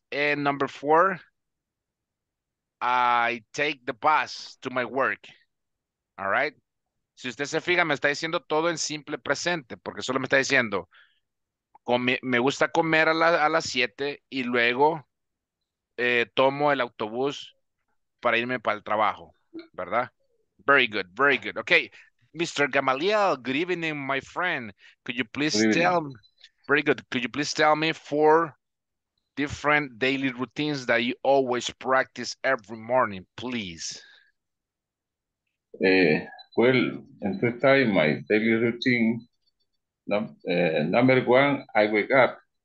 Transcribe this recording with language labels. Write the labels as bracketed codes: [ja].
[en] And number four, I take the bus to my work. All right. [es] Si usted se fija, me está diciendo todo en simple presente, porque solo me está diciendo, me gusta comer a las 7 y luego tomo el autobús para irme para el trabajo, ¿verdad? [en] Very good, very good. Okay, Mr. Gamaliel, good evening, my friend. Could you please tell me, very good, could you please tell me 4 different daily routines that you always practice every morning, please? In the time, my daily routine, number one, I wake up.